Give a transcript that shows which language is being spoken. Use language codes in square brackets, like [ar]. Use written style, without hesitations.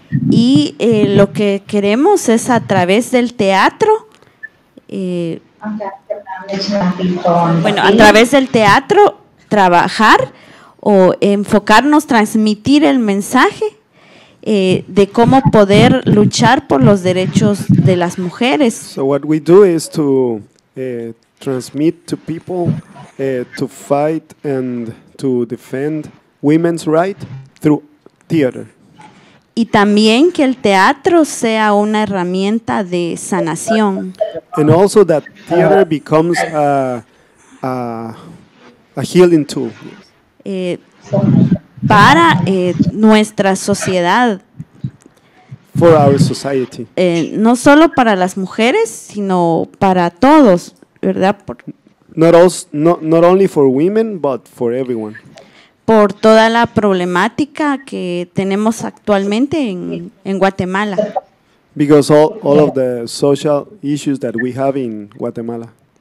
[es] Y lo que queremos es a través del teatro. Bueno, a través del teatro trabajar o enfocarnos, transmitir el mensaje de cómo poder luchar por los derechos de las mujeres. [en] So what we do is to transmit to people to fight and to defend women's rights through theater. [es] Y también que el teatro sea una herramienta de sanación. [en] And also that theater becomes a healing tool. [es] Para nuestra sociedad. [en] For our society. [es] No solo para las mujeres, sino para todos, ¿verdad? [en] Not only for women, but for everyone. [es] Por toda la problemática que tenemos actualmente en Guatemala. [en] Because all of the social issues that we have in Guatemala.